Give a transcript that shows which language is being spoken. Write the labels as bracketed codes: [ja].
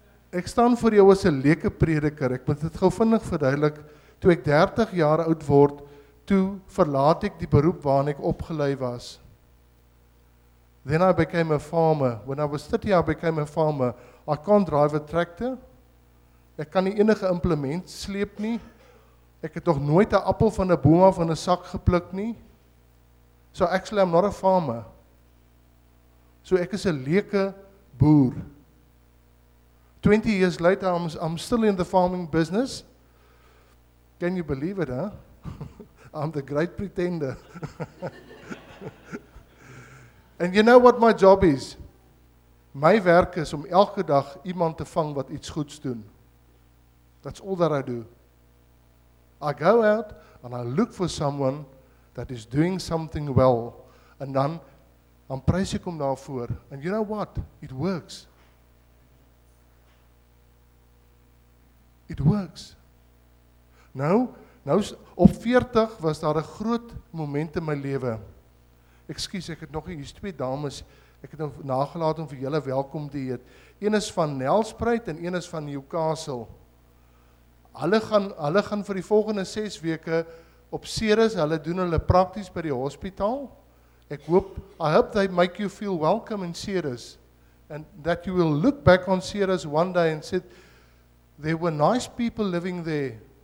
[af] Ek staan voor jou as 'n leke prediker. Ek moet dit gou vinnig verduidelik. Toe ek 30 jaar oud word, toe verlaat ek die beroep waarin ek opgelei was. [en] Then I became a farmer. When I was 30, I became a farmer. I can't drive a tractor. [af] Ek kan nie enige implement sleep nie. Ek het nog nooit 'n appel van 'n boom af van 'n sak gepluk nie. [en] So actually, I'm not a farmer. [af] So ek is 'n leke boer. [en] 20 years later, I'm still in the farming business. Can you believe it, huh? I'm the great pretender. And you know what my job is? [af] My werk is om elke dag iemand te vang wat iets goeds doen. [en] That's all that I do. I go out and I look for someone that is doing something well. And then, I'm [af] prys ek hom daarvoor. [en] And you know what? It works. It works. [af] Nou, op 40 was daar 'n groot moment in my lewe. Ekskuus, ek het nog nie, hier's twee dames, ek het nou nagelaat om vir julle welkom te heet. Een is van Nelspruit en een is van Newcastle. Hulle gaan vir die volgende 6 weke op Ceres, hulle doen hulle prakties by die hospitaal. [en] I hope they make you feel welcome in Ceres. And that you will look back on Ceres one day and say, there were nice people living there.